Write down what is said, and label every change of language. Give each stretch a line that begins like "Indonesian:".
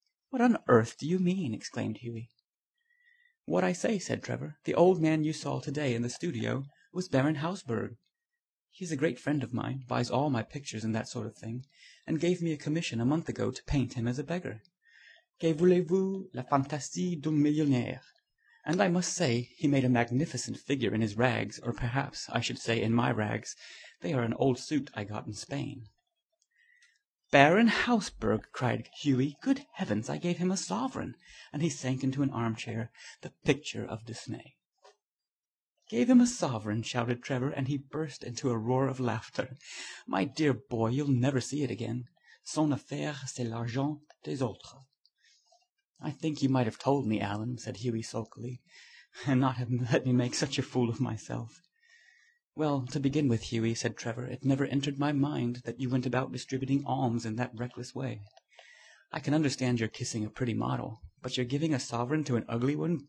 English: "What on earth do you mean?" exclaimed Hughie. "What I say," said Trevor. "The old man you saw today in the studio was Baron Hausberg. He's a great friend of mine, buys all my pictures and that sort of thing, and gave me a commission a month ago to paint him as a beggar.
French: Que voulez-vous, la fantaisie d'un millionnaire?
English: And I must say, he made a magnificent figure in his rags, or perhaps, I should say, in my rags. They are an old suit I got in Spain." "Baron Hausberg!" cried Hughie. "Good heavens, I gave him a sovereign!" And he sank into an armchair, the picture of dismay. "Gave him a sovereign!" shouted Trevor, and he burst into a roar of laughter. "My dear boy, you'll never see it again.
French: Son affaire, c'est l'argent des autres."
English: "I think you might have told me, Alan," said Hughie sulkily, "and not have let me make such a fool of myself." "Well, to begin with, Hughie," said Trevor, "it never entered my mind that you went about distributing alms in that reckless way. I can understand your kissing a pretty model, but you're giving a sovereign to an ugly one?